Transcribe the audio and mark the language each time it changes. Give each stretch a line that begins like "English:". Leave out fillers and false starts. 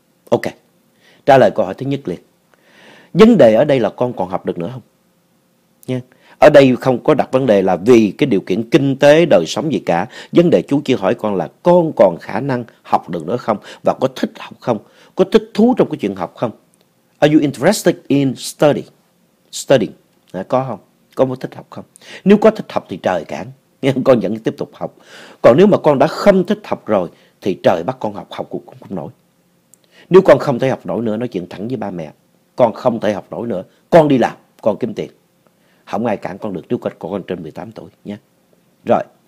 Vietnamese: Ok, trả lời câu hỏi thứ nhất liền. Vấn đề ở đây là con còn học được nữa không? Nha. Ở đây không có đặt vấn đề là vì cái điều kiện kinh tế, đời sống gì cả. Vấn đề chú chỉ hỏi con là con còn khả năng học được nữa không? Và có thích học không? Có thích thú trong cái chuyện học không?
English: Are you interested in studying?
Vietnamese: Có không? Có muốn thích học không? Nếu có thích học thì trời cản, con vẫn tiếp tục học. Còn nếu mà con đã không thích học rồi, thì trời bắt con học, học cũng không nổi. Nếu con không thể học nổi nữa, nói chuyện thẳng với ba mẹ. Con không thể học nổi nữa, con đi làm, con kiếm tiền. Không ai cản con được, nếu con trên 18 tuổi nhé. Rồi.